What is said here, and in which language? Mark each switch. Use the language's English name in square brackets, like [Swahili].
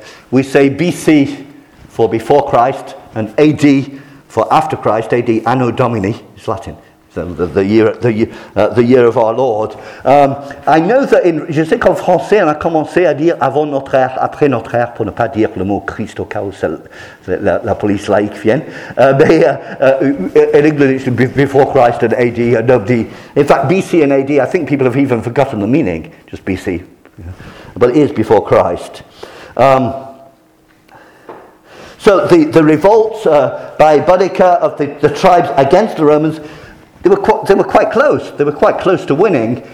[English] We say BC for before Christ and AD for after Christ. AD Anno Domini is Latin, the year of our Lord. I know that in [French] je sais qu'en français on a commencé à dire avant notre ère, après notre ère, pour ne pas dire le mot Christ au cas où la police laïque vienne. [English] In English it's before Christ and AD. Nobody, in fact, BC and AD. I think people have even forgotten the meaning. Just BC, yeah. But it is before Christ. So the revolts by Boudica of the tribes against the Romans, they were quite close to winning.